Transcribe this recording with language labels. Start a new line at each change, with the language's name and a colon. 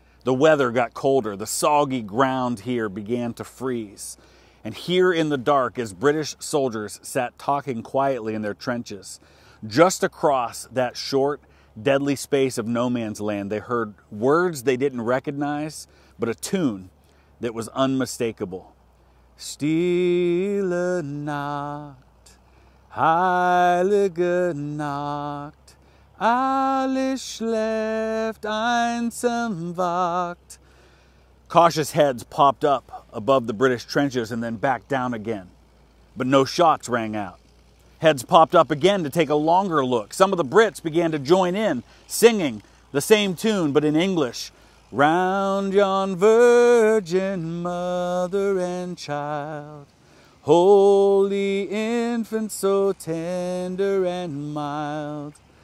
English: The weather got colder, the soggy ground here began to freeze, and here in the dark, as British soldiers sat talking quietly in their trenches, just across that short, deadly space of no man's land, they heard words they didn't recognize, but a tune that was unmistakable.
German: Stille Nacht, Heilige Nacht. Alles schläft einsam wacht.
English: Cautious heads popped up above the British trenches and then back down again, but no shots rang out. Heads popped up again to take a longer look. Some of the Brits began to join in, singing the same tune, but in English. Round yon virgin mother and child, holy infant so tender and mild.